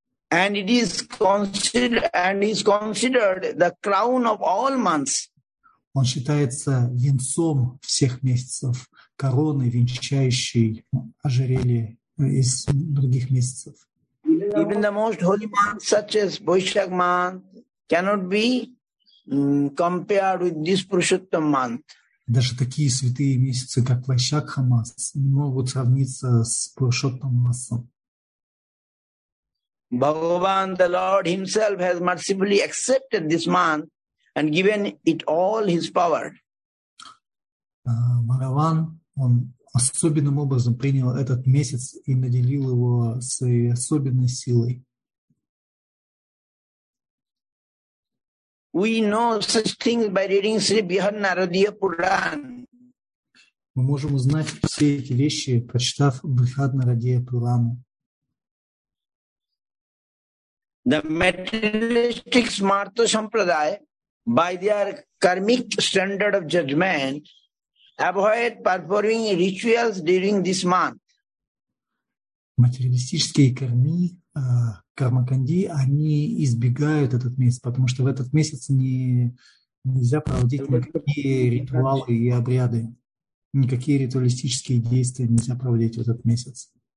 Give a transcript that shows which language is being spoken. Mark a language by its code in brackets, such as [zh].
[en] And it is considered the crown of all months. [ru] Он считается венцом всех месяцев, короной, венчающей ожерелье из других месяцев. [en] Even the most holy month, such as Boishakh month, cannot be compared with this Purushottam month. [ru] Даже такие святые месяцы, как Вайшакха мас, не могут сравниться с Пурушоттам масом. [en] Bhagavan, the Lord himself, has mercifully accepted this month and given it all his power. [ru] Bhagavan, он особенным образом принял этот месяц и наделил его своей особенной силой. [en] We know such things by reading Sri Bihar Naradiya Puran. [ru] Мы можем узнать все эти вещи, прочитав Брихадна-радия Пуламу. [en] The materialistic smartha sampradaya, by their karmic standard of judgment, avoid performing rituals during this month. [ru] Материалистические карми, кармаканди, они избегают этот месяц, потому что в этот месяц нельзя проводить никакие ритуалы и обряды. Никакие ритуалистические действия нельзя проводить в этот месяц.